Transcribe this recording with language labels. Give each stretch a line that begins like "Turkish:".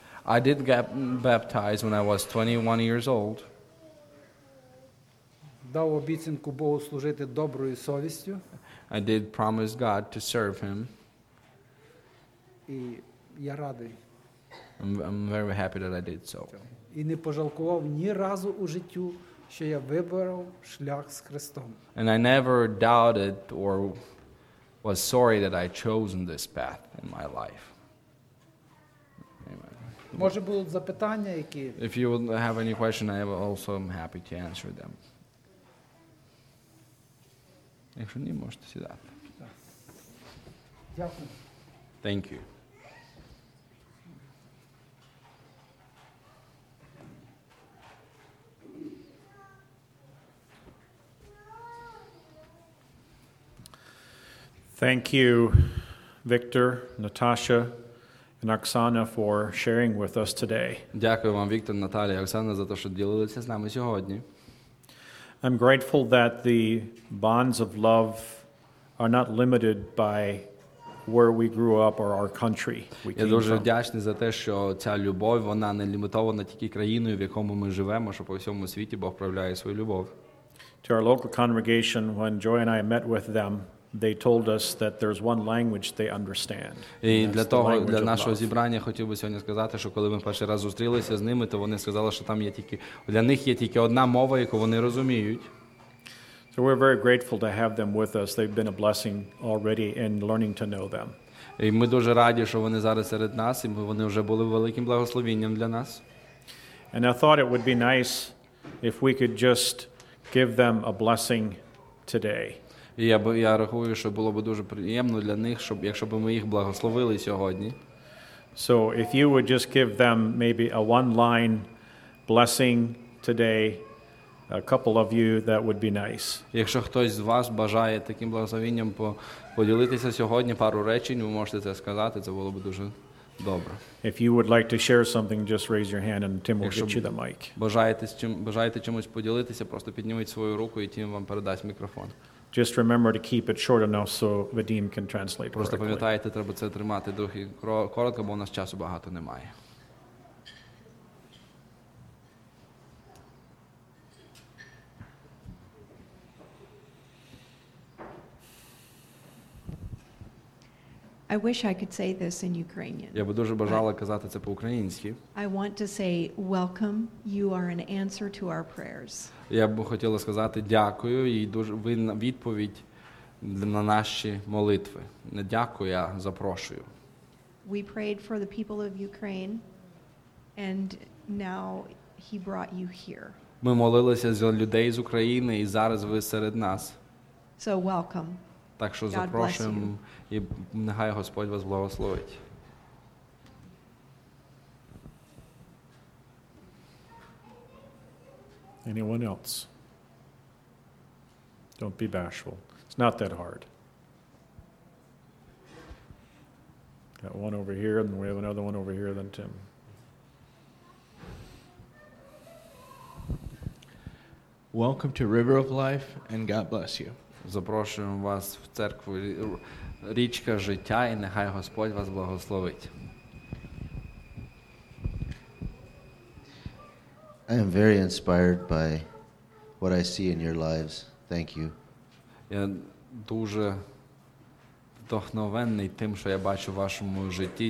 English: I did get baptized when I was 21 years old.
Ukrainian: Дав обіцянку Богу служити доброю совістю.
English: I did promise God to serve him.
Ukrainian: І я радий.
English: I'm very happy that I did so.
Ukrainian: І не пожалкував ні разу у життю, що я вибрав шлях з Христом.
English: And I never doubted or was sorry that I chosen this path in my life.
Ukrainian: Може будуть запитання які?
English: If you have any question, I also am happy to answer them.
Ukrainian: Якщо ні, можете сідати. Дякую.
English: Thank you. Thank you, Victor, Natasha, and Оксана, for sharing with us today.
Ukrainian: Дякую вам, Віктор, Наталія, Оксана, за те, що ділилися з нами сьогодні.
English: I'm grateful that the bonds of love are not limited by where we grew up or our country.
Ukrainian: Я дуже вдячний за те, що ця любов, вона не лімітована тільки країною, в якому ми живемо, що по всьому світі Бог проявляє свою любов.
English: To our local congregation, when Joy and I met with them, they told us that there's one language they understand.
Ukrainian: І для того, для нашого зібрання хотів би сьогодні сказати, що коли ми перший раз зустрілися з ними, то вони сказали, що там є тільки для них є тільки одна мова, яку вони розуміють.
English: So we're very grateful to have them with us. They've been a blessing already in learning to know them.
Ukrainian: І ми дуже раді, що вони зараз серед нас, і вони вже були великим благословенням для нас.
English: And I thought it would be nice if we could just give them a blessing today.
Ukrainian: І я рахую, що було б дуже приємно для них, щоб якщо б ми їх благословили сьогодні.
English: So if you would just give them maybe a one-line blessing today, a couple of you, that would be nice.
Ukrainian: Якщо хтось з вас бажає таким благословенням поділитися сьогодні пару речень, ви можете це сказати, це було б дуже добре.
English: If you would like to share something, just raise your hand and Tim will get you the mic.
Ukrainian: Бажаєте чимось поділитися, просто підніміть свою руку і Тім вам передасть мікрофон.
English: Just remember to keep it short enough so Vadim can translate.
Ukrainian: Просто пам'ятайте, треба це тримати дуже коротко, бо у нас часу багато немає.
English: I wish I could say this in Ukrainian.
Ukrainian: Я б дуже бажала казати це по-українськи.
English: I want to say welcome. You are an answer to our prayers.
Ukrainian: Я б хотіла сказати дякую і дуже ви відповідь на наші молитви. Не дякую, я запрошую.
English: We prayed for the people of Ukraine and now he brought you here.
Ukrainian: Ми молилися за людей з України і зараз ви серед нас.
English: So welcome.
Ukrainian: Так що запрошуємо і нехай Господь вас благословить.
English: Anyone else? Don't be bashful. It's not that hard. Got one over here, and we have another one over here, then Tim. Welcome to River of Life, and God bless you.
Ukrainian: Запрошуємо вас в церкву Річка Життя, і нехай Господь вас благословить.
English: I am very inspired by what I see in your lives. Thank you.
Ukrainian: Я дуже вдохновений тим, що я бачу в вашому житті.